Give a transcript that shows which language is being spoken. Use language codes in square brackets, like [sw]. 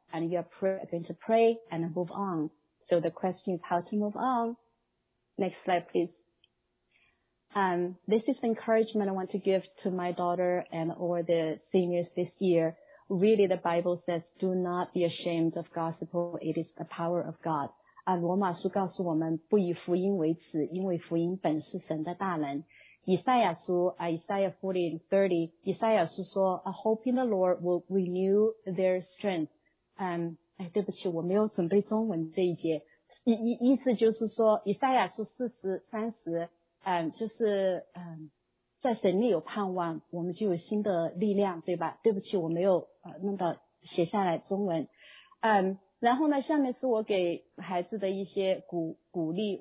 [en] And you are going to pray and move on. So the question is how to move on. Next slide, please. This is the encouragement I want to give to my daughter and all the seniors this year. Really, the Bible says, do not be ashamed of gospel. It is the power of God. [zh] 罗马书告诉我们不以福音为耻，因为福音本是神的大能。 [en] 以赛亚书Isaiah 40:30, [zh] 以赛亚书说 [en] a hope in the Lord will renew their strength. [zh] 对不起，我没有准备中文这一节。意思就是说，以赛亚书40:30，在神里有盼望，我们就有新的力量，对吧？对不起，我没有弄到写下来中文。然后呢，下面是我给孩子的一些鼓励。